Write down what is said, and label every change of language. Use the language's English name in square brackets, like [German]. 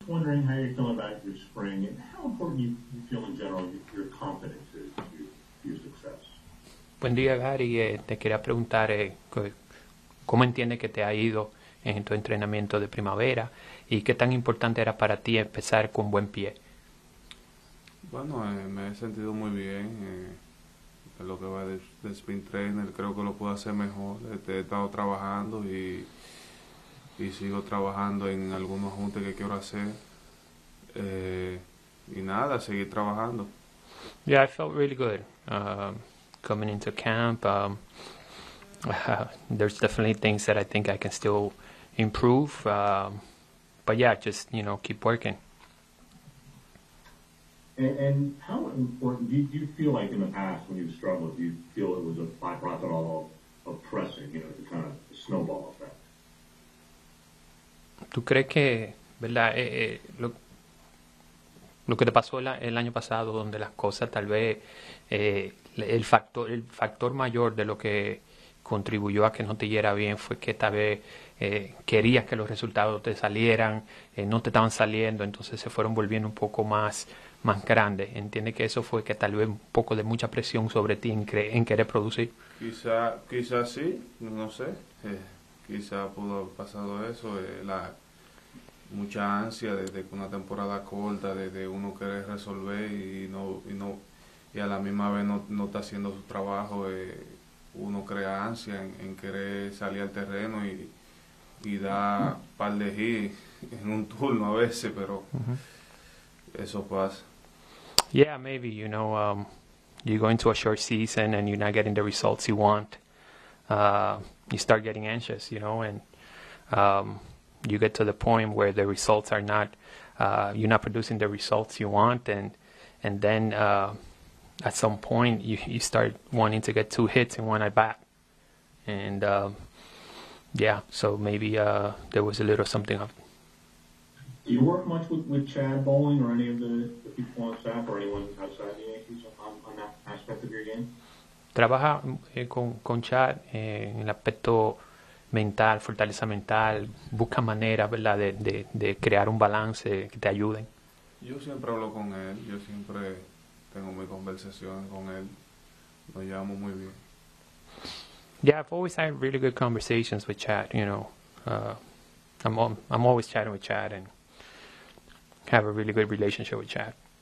[English] wondering how you're feeling about your spring and how important you feel in general your confidence is to your success. [Spanish] Buen día, Gary. Te quería preguntar cómo entiende que te ha ido en tu entrenamiento de primavera y qué tan importante era para ti empezar con buen pie. Bueno, me he sentido muy bien en lo que va de spin trainer. Creo que lo puedo hacer mejor. He estado trabajando y sigo trabajando en algunos ajustes que quiero hacer. Y nada, seguir trabajando. [English] Yeah, I felt really good coming into camp. There's definitely things that I think I can still improve. But yeah, just, you know, keep working. And how important do you feel like in the past when you struggled, do you feel it was a byproduct at all of pressing, you know, the kind of snowball effect? [Spanish] ¿Tú crees que, verdad, lo que te pasó el año pasado, donde las cosas tal vez, el factor mayor de lo que contribuyó a que no te diera bien fue que tal vez querías que los resultados te salieran, no te estaban saliendo, entonces se fueron volviendo un poco más grandes? ¿Entiendes que eso fue que tal vez un poco de mucha presión sobre ti en querer producir? Quizá sí, no sé, quizá pudo haber pasado eso, la mucha ansia de una temporada corta, de uno querer resolver y a la misma vez no está haciendo su trabajo. Uno crea ansia en querer salir al terreno y da par de hits en un turno a veces, pero eso pasa. [English] Yeah, maybe, you know, you go into a short season and you're not getting the results you want. You start getting anxious, you know, and you get to the point where the results are not, you're not producing the results you want, and then at some point you start wanting to get two hits in one at bat, and yeah, so maybe there was a little something up. Do you work much with Chad Bowling or any of the people on staff or anyone outside the Yankees on that aspect of your game? [Spanish] Trabaja con Chad en el aspecto mental, fortaleza mental, busca maneras, ¿verdad?, de crear un balance que te ayuden. Yo siempre hablo con él, yo siempre tengo mi conversación con él, nos llevamos muy bien. [English] Yeah, I've always had really good conversations with Chad, you know. I'm always chatting with Chad and have a really good relationship with Chad.